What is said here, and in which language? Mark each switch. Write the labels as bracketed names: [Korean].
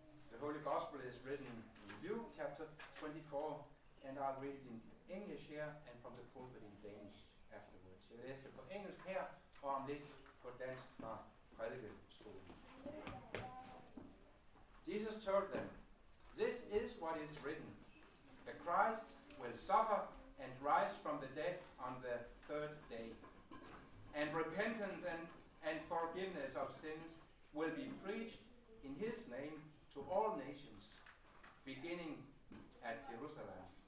[English] The Holy Gospel is written in Luke, chapter 24, and I'll read in English here and from the pulpit in Danish. [Danish] Jeg læste på engelsk her, og om lidt på dansk fra prædikestolen. [English] Jesus told them, "This is what is written. The Christ will suffer and rise from the dead on the third day. And repentance and forgiveness of sins will be preached in his name to all nations, beginning at Jerusalem.